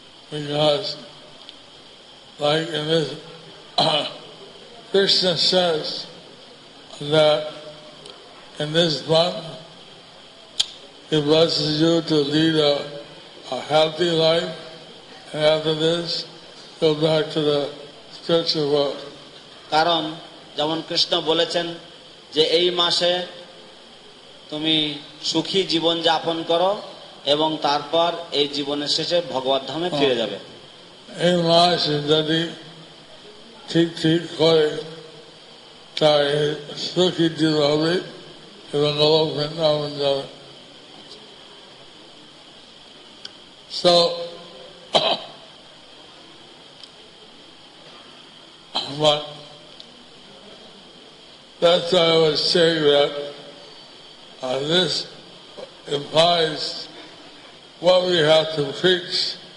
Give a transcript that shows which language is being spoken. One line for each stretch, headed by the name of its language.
English: Because like in this, Krishna says that in this month he blesses you to lead a healthy life, and after this go back to the spiritual world.
Bangla: কারণ যেমন কৃষ্ণ বলেছেন যে এই মাসে তুমি সুখী জীবন যাপন করো এবং তারপর এই জীবনের শেষে ভগবত ধামে ফিরে যাবে. এই মাস যদি ঠিক ঠিক করে তাই সুখী জীবন হবে এবং লোক বৃন্দাবন যাবে.
English: So but that's why I was saying that this implies what we have to preach.